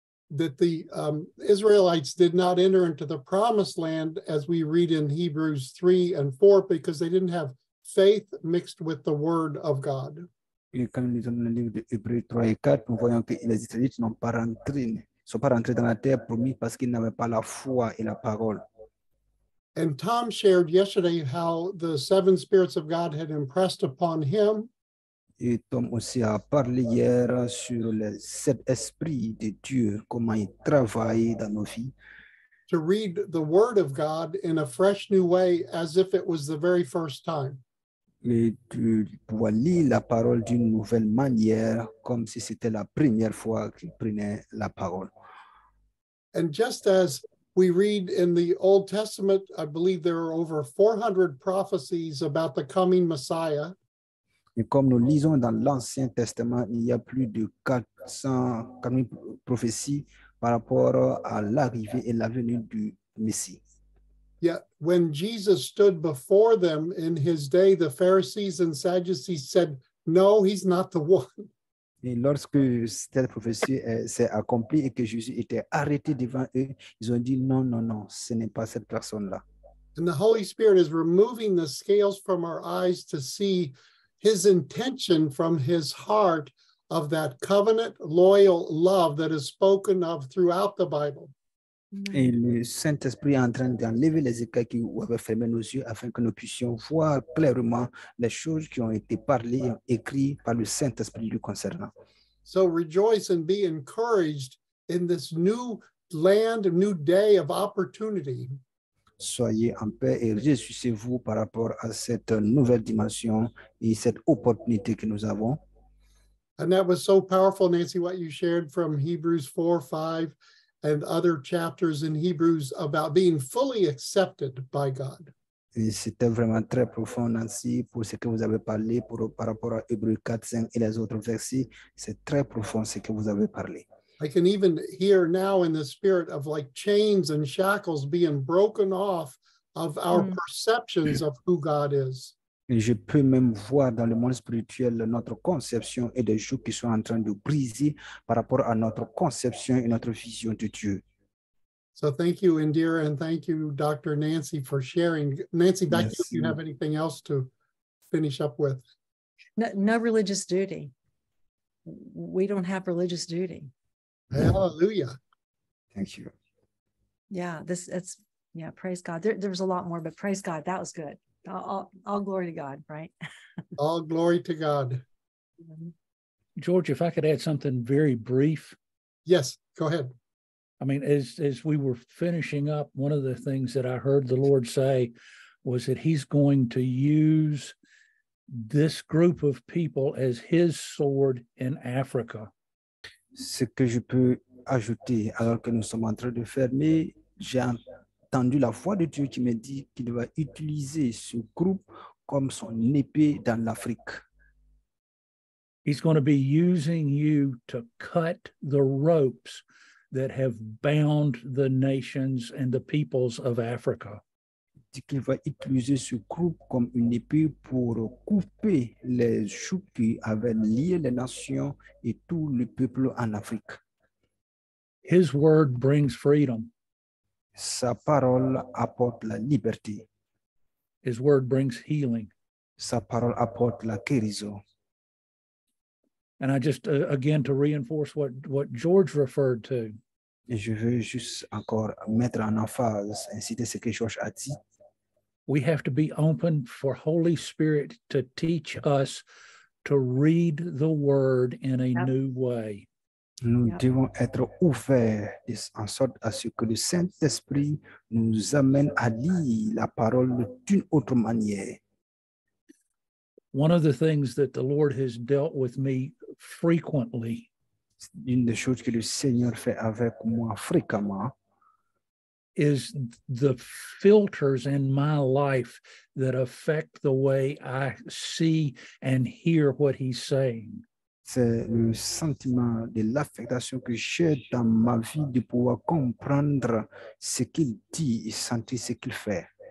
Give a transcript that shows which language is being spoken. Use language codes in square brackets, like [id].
[en] That the Israelites did not enter into the promised land as we read in Hebrews 3 and 4 because they didn't have faith mixed with the word of God. [fr] Et quand nous lisons le livre de Hébreux 3 et 4, nous voyons que les Israélites ne sont pas rentrés dans la terre promise parce qu'ils n'avaient pas la foi et la parole. [en] And Tom shared yesterday how the seven spirits of God had impressed upon him. [fr] Et Tom aussi a parlé hier sur les sept esprits de Dieu, comment ils travaillent dans nos vies. [en] To read the word of God in a fresh new way as if it was the very first time. [fr] Mais tu pouvais lire la parole d'une nouvelle manière, comme si c'était la première fois qu'il prenait la parole. [en] And just as we read in the Old Testament, I believe there are over 400 prophecies about the coming Messiah. [fr] Et comme nous lisons dans l'Ancien Testament, il y a plus de 400 prophéties par rapport à l'arrivée et la venue du Messie. [en] Yet when Jesus stood before them in his day, the Pharisees and Sadducees said, "No, he's not the one." [fr] Et lorsque cette prophétie s'est accomplie et que Jésus était arrêté devant eux, ils ont dit, "Non, non, non, ce n'est pas cette personne-là." [en] And the Holy Spirit is removing the scales from our eyes to see his intention from his heart of that covenant loyal love that is spoken of throughout the Bible. [fr] Et le Saint-Esprit est en train d'enlever les écailles qui avaient fermé nos yeux afin que nous puissions voir clairement les choses qui ont été parlées et écrites par le Saint-Esprit lui concernant. [en] So rejoice and be encouraged in this new land, a new day of opportunity. [fr] Soyez en paix et réjouissez-vous par rapport à cette nouvelle dimension et cette opportunité que nous avons. [en] And that was so powerful, Nancy, what you shared from Hebrews 4, 5 and other chapters in Hebrews about being fully accepted by God. [fr] Et c'était vraiment très profond, Nancy, pour ce que vous avez parlé pour, par rapport à Hébreux 4, 5 et les autres versets. C'est très profond ce que vous avez parlé. [en] I can even hear now in the spirit of like chains and shackles being broken off of our perceptions of who God is. [fr] Et je peux même voir dans le monde spirituel notre conception et des choses qui sont en train de briser par rapport à notre conception et notre vision de Dieu. [en] So thank you, Indira, and thank you, Dr. Nancy, for sharing. Nancy, back to you, if you have anything else to finish up with. No religious duty. We don't have religious duty. Hallelujah. Thank you. Yeah, praise God. There was a lot more, but praise God. That was good. All glory to God, right? All glory to God. George, if I could add something very brief. Yes, go ahead. I mean, as we were finishing up, one of the things that I heard the Lord say was that he's going to use this group of people as his sword in Africa. [fr] Ce que je peux ajouter, alors que nous sommes en train de fermer, j'ai entendu la voix de Dieu qui me dit qu'il va utiliser ce groupe comme son épée dans l'Afrique. [en] He's going to be using you to cut the ropes that have bound the nations and the peoples of Africa. [fr] Qu'il va utiliser ce groupe comme une épée pour couper les choups qui avaient lié les nations et tout le peuple en Afrique. [en] His word brings freedom. [fr] Sa parole apporte la liberté. [en] His word brings healing. [fr] Sa parole apporte la guérison. [en] And I just, again, to reinforce what George referred to. [fr] Et je veux juste encore mettre en emphase, inciter ce que George a dit. [en] We have to be open for Holy Spirit to teach us to read the word in a new way. [fr] Nous devons être ouverts en sorte à ce que le Saint-Esprit nous amène à lire la parole d'une autre manière. [en] One of the things that the Lord has dealt with me frequently. [fr] Une des choses que le Seigneur fait avec moi fréquemment. [en] Is the filters in my life that affect the way I see and hear what he's saying. [fr] C'est le sentiment de l'affectation que j'ai dans ma vie de pouvoir comprendre ce qu'il dit et sentir ce qu'il fait.